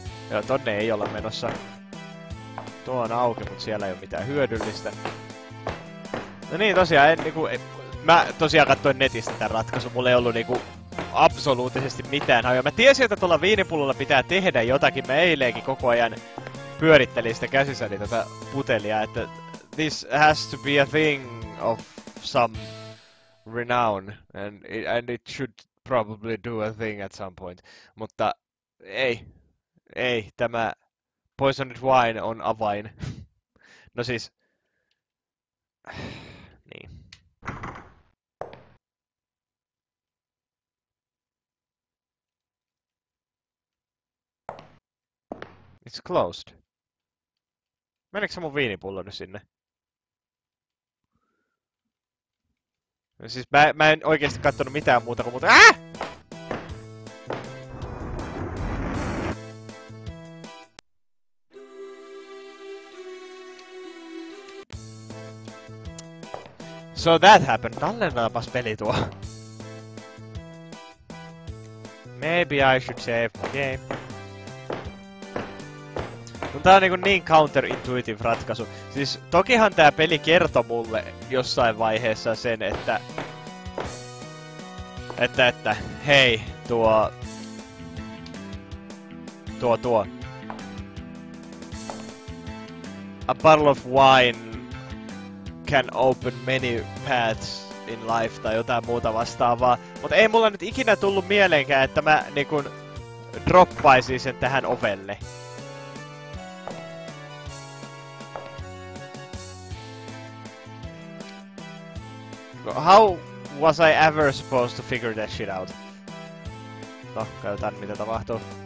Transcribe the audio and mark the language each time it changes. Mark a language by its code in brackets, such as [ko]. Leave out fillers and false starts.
[fi] Joo, tonne ei olla menossa. Tuo on auki, mutta siellä ei ole mitään hyödyllistä. No niin, tosiaan, en niinku... Mä tosiaan katsoin netistä tämän ratkaisun, mulla ei ollut niinku... absoluuttisesti mitään hajoa. Mä tiesin, että tuolla viinipullolla pitää tehdä jotakin. Mä eilenkin koko ajan pyörittelin sitä käsissäni tätä putelia, että... [en] This has to be a thing of some renown, and it should probably do a thing at some point. [fi] Mutta ei. Ei, tämä [en] poisoned wine [fi] on avain. No siis... niin. [en] It's closed. [fi] Meneekö se mun viinipullo nyt sinne? No siis mä en oikeesti kattonut mitään muuta kuin muuta... Ääh! [en] So that happened. [fi] Tallennaapas peli tuo. [en] Maybe I should save my game. [fi] Tää on niinku niin counterintuitive ratkaisu. Siis tokihan tää peli kertoi mulle jossain vaiheessa sen, että hei, tuo. [en] A bottle of wine can open many paths in life [fi] tai jotain muuta vastaavaa. Mut ei mulla nyt ikinä tullu mieleenkään, että mä niinku droppaisin sen tähän ovelle. [en] How was I ever supposed to figure that shit out? [fi] No, katsotaan mitä tapahtuu.